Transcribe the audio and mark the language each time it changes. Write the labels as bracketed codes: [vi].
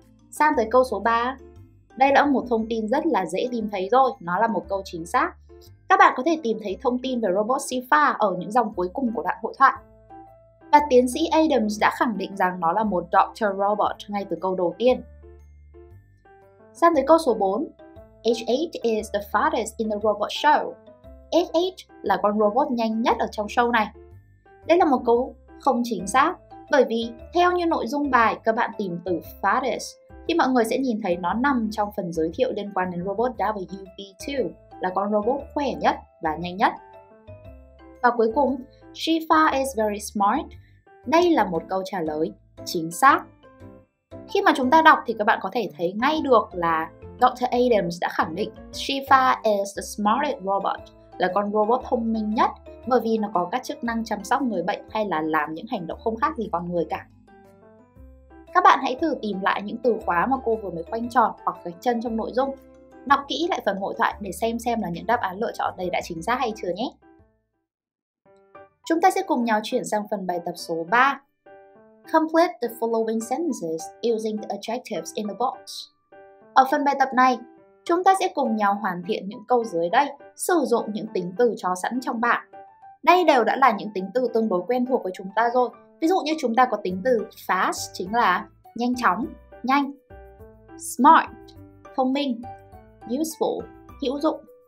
[vi] Sang tới câu số 3. Đây là một thông tin rất là dễ tìm thấy rồi, nó là một câu chính xác. Các bạn có thể tìm thấy thông tin về robot Shifa ở những dòng cuối cùng của đoạn hội thoại. Và tiến sĩ Adams đã khẳng định rằng nó là một doctor robot ngay từ câu đầu tiên. Sang tới câu số 4. [en] H8 is the fastest in the robot show. [vi] H8 là con robot nhanh nhất ở trong show này. Đây là một câu không chính xác, bởi vì theo như nội dung bài, các bạn tìm từ fastest thì mọi người sẽ nhìn thấy nó nằm trong phần giới thiệu liên quan đến robot WB2, là con robot khỏe nhất và nhanh nhất. Và cuối cùng, [en] Shifa is very smart. [vi] Đây là một câu trả lời chính xác. Khi mà chúng ta đọc thì các bạn có thể thấy ngay được là Dr. Adams đã khẳng định [en] Shifa is the smartest robot, [vi] là con robot thông minh nhất, bởi vì nó có các chức năng chăm sóc người bệnh hay là làm những hành động không khác gì con người cả. Các bạn hãy thử tìm lại những từ khóa mà cô vừa mới khoanh tròn hoặc gạch chân trong nội dung, đọc kỹ lại phần hội thoại để xem là những đáp án lựa chọn đây đã chính xác hay chưa nhé. Chúng ta sẽ cùng nhau chuyển sang phần bài tập số 3. [en] Complete the following sentences using the adjectives in the box. [vi] Ở phần bài tập này, chúng ta sẽ cùng nhau hoàn thiện những câu dưới đây sử dụng những tính từ cho sẵn trong bảng. Đây đều đã là những tính từ tương đối quen thuộc với chúng ta rồi. Ví dụ như chúng ta có tính từ fast, chính là nhanh chóng, nhanh. Smart, thông minh. Useful, hữu dụng.